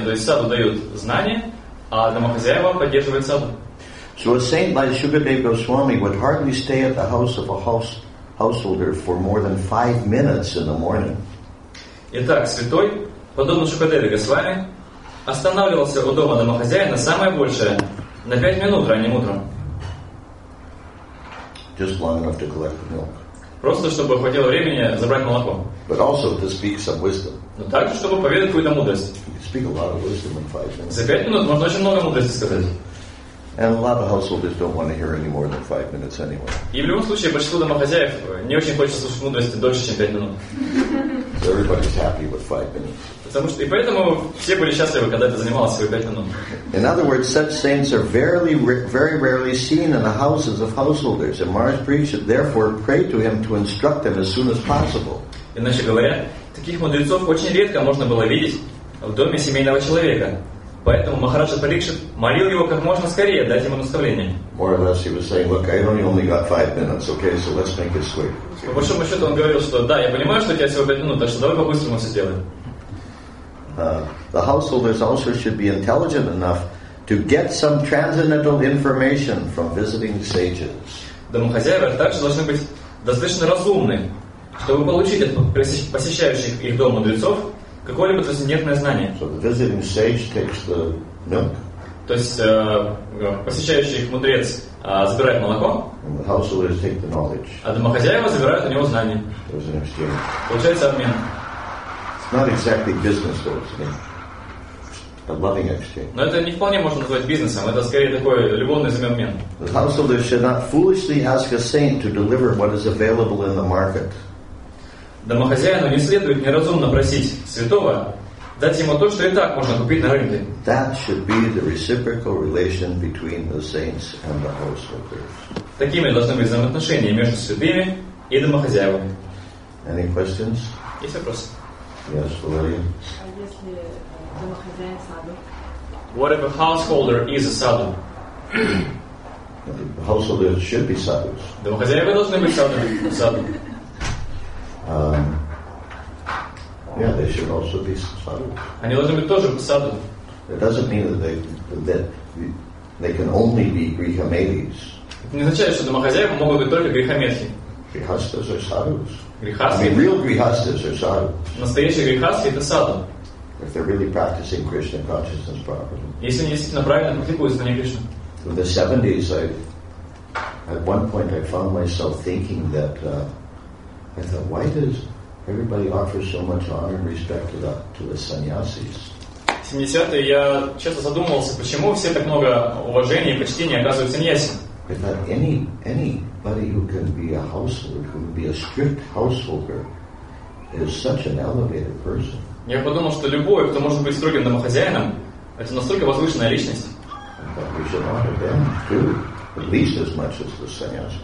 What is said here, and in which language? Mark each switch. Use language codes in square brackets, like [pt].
[ru] То есть саду дают знания, а домохозяева поддерживают саду. [en] So a saint like Shukadeva Goswami would hardly stay at the house of a householder for more than 5 minutes in the morning. [ru] Итак, святой, подобно Шукадеве Госвами, останавливался у дома домохозяина самое большее на 5 минут ранним утром. [en] Just long enough to collect the milk. [ru] Просто чтобы хватило времени забрать молоко. [en] But also to speak some wisdom. [ru] Но также чтобы поведать какую-то мудрость. [en] Speak a lot of wisdom in 5 minutes. [ru] За 5 минут можно очень много мудрости сказать. [en] And a lot of householders don't want to hear any more than 5 minutes anyway. [ru] И в любом случае большинство домохозяев не очень хочет слушать мудрости дольше, чем 5 минут. [en] So everybody's happy with 5 minutes. [ru] Потому что и поэтому все были счастливы, когда это занималось всего 5 минут. [en] In other words, such saints are very rarely seen in the houses of householders, and Maharaj Parikshit therefore prayed to him to instruct them as soon as possible. [ru] Иначе говоря, таких мудрецов очень редко можно было видеть в доме семейного человека. Поэтому Махараджа Парикшит молил его как можно скорее дать ему наставление. [en] More or less he was saying, look, I only got 5 minutes, okay, so let's make it quick. [ru] По большому счету он говорил, что да, я понимаю, что у тебя всего 5 минут, так что давай по-быстрому все сделаем. [en] The householders also should be intelligent enough to get some transcendental information from visiting sages. [ru] Домохозяева также должны быть достаточно разумны, чтобы получить от посещающих их дом мудрецов какое-либо трансцендентное знание. [en] So the visiting sage takes the milk. [ru] То есть посещающий их мудрец забирает молоко. [en] And the householders take the knowledge. [ru] А домохозяева забирают у него знания. [en] There's an exchange. [ru] Получается обмен. [en] It's not exactly business, though, it's a loving exchange. [ru] Но это не вполне можно назвать бизнесом. Это скорее такой любовный обмен. [en] The householders should not foolishly ask a saint to deliver what is available in the market. [ru] Домохозяину не следует неразумно просить святого дать ему то, что и так можно купить на рынке. [en] That should be the reciprocal relation between the saints and the householders. [ru] Такими должны быть взаимоотношения между святыми и домохозяевами. [en] Any questions? [ru] Есть вопросы? [en] Yes, Valeria. [ru] А если домохозяин саду? [en] What if a householder is a sadhu? The householders should be sadhus. [ru] Домохозяева должны быть саду. [en] Yeah, they should also be sadhu. [ru] Они должны быть тоже саду. [en] It doesn't mean that they can only be grihamedis. [ru] Это не означает, что домохозяева могут быть только грихамедхи. [en] Грихастхи are sadhus. [ru] Грихастхи. [en] I mean, real грихастхи are sadhus. [ru] Настоящие грихастхи — это саду. [en] If they're really practicing Krishna consciousness properly. [ru] Если они действительно правильно практикуют знание Кришны. [en] In the 70s, at one point I found myself thinking that. I thought, why does everybody offer so much honor and respect to the sannyasis? [ru] В 70-е я часто задумывался, почему все так много уважения и почтения оказывают саньясам. [en] I thought anybody who can be a householder, who can be a strict householder, is such an elevated person. [ru] Я подумал, что любой, кто может быть строгим домохозяином, это настолько возвышенная личность. [en] I thought we should honor them too, at least as much as the sannyasis.